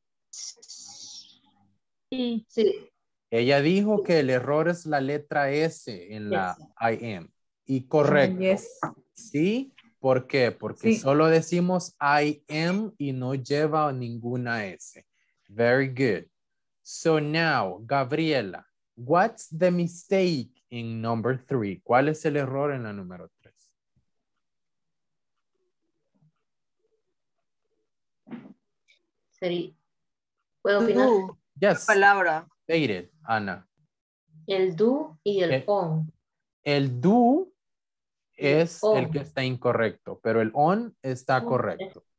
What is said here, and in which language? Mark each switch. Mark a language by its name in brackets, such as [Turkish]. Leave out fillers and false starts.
[Spanish] Sí, sí. Ella dijo que el error es la letra S en la I am. Y correcto. [English] Yes. [Spanish] ¿Sí? ¿Por qué? Porque sí. Solo decimos [English] I am [Spanish] y no lleva ninguna S. [English] Very good. So now, Gabriela, what's the mistake in number three? [Spanish] ¿Cuál es el error en la número tres? Sería. [English] Yes. [Spanish] Palabra. Stated, Ana. El do y el on. El do es el que está incorrecto, pero el on está correcto.